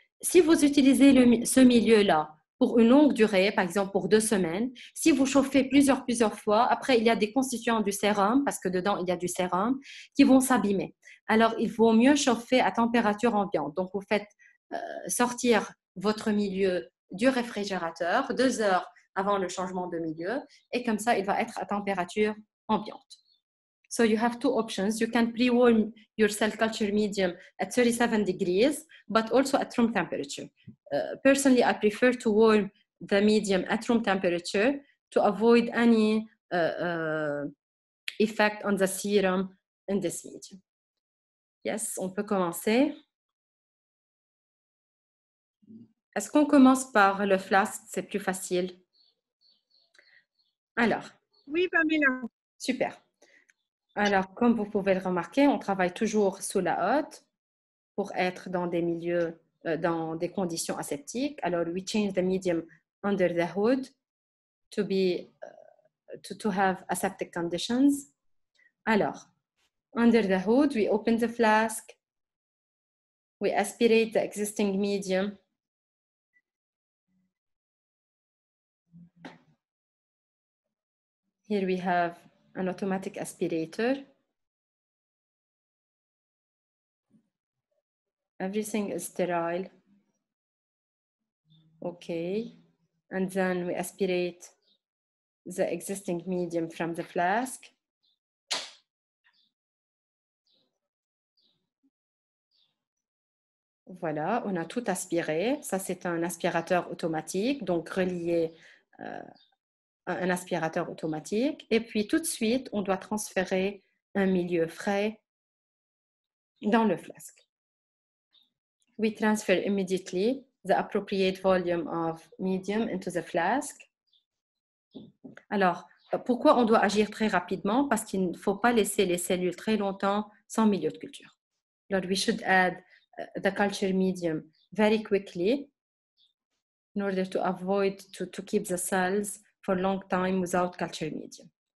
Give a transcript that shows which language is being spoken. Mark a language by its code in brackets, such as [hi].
[fr] Si vous utilisez ce milieu-là pour une longue durée, par exemple pour 2 semaines, si vous chauffez plusieurs fois, après il y a des constituants du sérum, parce que dedans il y a du sérum, qui vont s'abîmer. Alors il vaut mieux chauffer à température ambiante. Donc vous faites sortir votre milieu du réfrigérateur 2 heures avant le changement de milieu, et comme ça il va être à température ambiante. [en] So you have 2 options. You can pre-warm your cell culture medium at 37 degrees, but also at room temperature. Personally, I prefer to warm the medium at room temperature to avoid any effect on the serum in this medium. Yes, [fr] on peut commencer. Est-ce qu'on commence par le flask? C'est plus facile. Alors. Oui, Pamela. Super. Alors, comme vous pouvez le remarquer, on travaille toujours sous la hotte pour être dans des milieux, dans des conditions aseptiques. [en] Alors, we change the medium under the hood to be to have aseptic conditions. Alors, under the hood, we open the flask, we aspirate the existing medium. Here we have an automatic aspirator. Everything is sterile. Okay. And then we aspirate the existing medium from the flask. [fr] Voilà, on a tout aspiré. Ça, c'est un aspirateur automatique, donc relié un aspirateur automatique, et puis tout de suite on doit transférer un milieu frais dans le flask. [en] We transfer immediately the appropriate volume of medium into the flask. [fr] Alors, pourquoi on doit agir très rapidement? Parce qu'il ne faut pas laisser les cellules très longtemps sans milieu de culture. [en] Alors, we should add the culture medium very quickly in order to avoid to keep the cells for a long time without culture medium.